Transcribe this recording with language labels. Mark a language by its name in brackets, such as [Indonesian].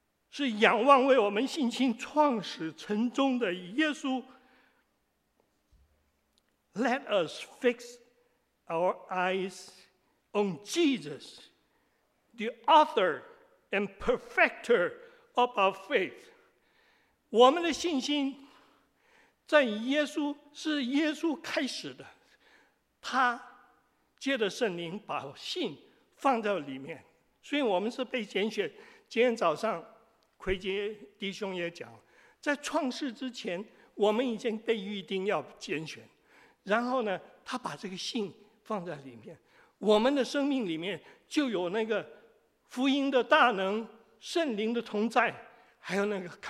[Chinese] 是仰望为我们信心创始成终的耶稣。 [English] Let us fix our eyes on Jesus, the author and perfecter of our faith. [Chinese] 我们的信心在耶稣，是耶稣开始的，他借着圣灵把信放在里面，所以我们是被拣选。今天早上奎杰弟兄也讲，在创世之前我们已经被预定要拣选，然后呢他把这个信放在里面，我们的生命里面就有那个福音的大能，圣灵的同在，还有那个